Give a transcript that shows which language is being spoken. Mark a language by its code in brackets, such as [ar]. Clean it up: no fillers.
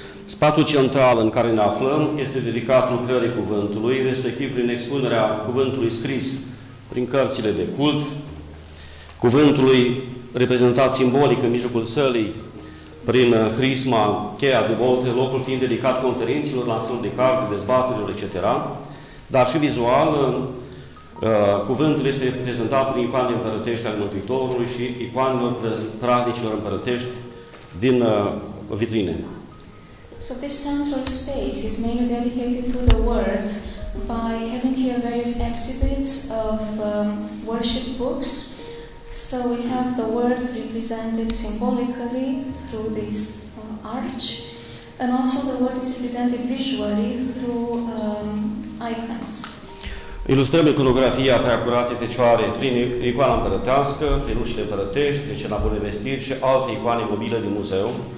[ro] Spațiul central în care ne aflăm este dedicat lucrării cuvântului, respectiv prin expunerea cuvântului scris prin cărțile de cult, cuvântului reprezentat simbolic în mijlocul sălii prin crisma, cheia de bolte, locul fiind dedicat conferințelor, lansări de carte, dezbaterilor, etc. Dar și vizual, cuvântul este reprezentat prin icoane împărătești al Mântuitorului și icoanelor praznicilor împărătești din vitrine. [en] So this central space is mainly dedicated to the word, by having here various exhibits of worship books. So we have the word represented symbolically through this arch, and also the word is represented visually through icons. [ro] Ilustrăm iconografia prea curate fecioare prin icoana împărătească, perușile împărătești, decena bune vestiri și alte icoane mobile din muzeu.